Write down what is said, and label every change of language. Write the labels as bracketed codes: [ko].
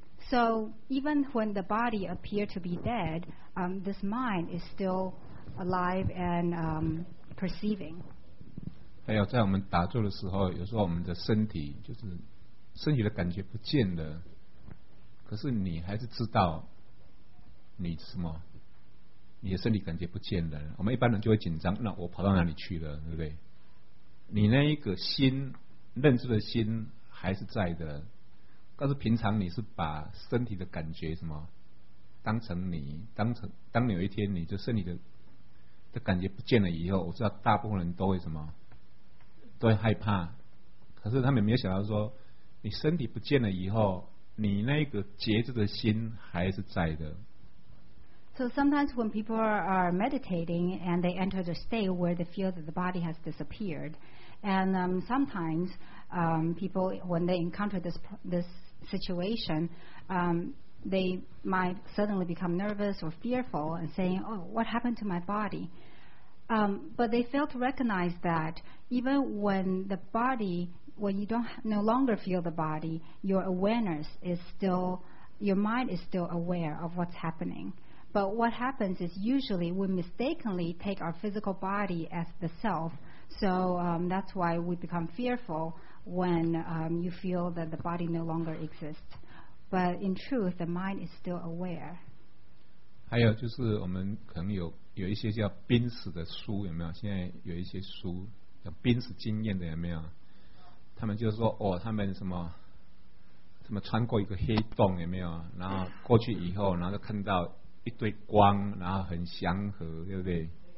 [en] So even when the body appeared to be dead, this mind is still alive and perceiving. [zh] 还有在我们打坐的时候，有时候我们的身体就是身体的感觉不见了，可是你还是知道你什么，你的身体感觉不见了。我们一般人就会紧张，那我跑到哪里去了，对不对？你那一个心，认知的心还是在的，但是平常你是把身体的感觉什么当成你，当成当你有一天你就身体的感觉不见了以后，我知道大部分人都会什么都会害怕，可是他们没有想到说你身体不见了以后，你那个觉知的心还是在的。 [en] So sometimes when people are meditating and they enter the state where they feel that the body has disappeared, and sometimes people, when they encounter this situation, they might suddenly become nervous or fearful and saying, "Oh, what happened to my body?" But they fail to recognize that even when the body, when you don't no longer feel the body, your awareness is still, your mind is still aware of what's happening. But what happens is usually we mistakenly take our physical body as the self. So that's why we become fearful when you feel that the body no longer exists. But in truth, the mind is still aware. [zh] 还有就是我们可能 有一些叫濒死的书，有没有？现在有一些书叫濒死经验的，有没有？他们就是说，哦，他们什么什么穿过一个黑洞，有没有？然后过去以后，然后就看到一堆光，然后很祥和，对不对？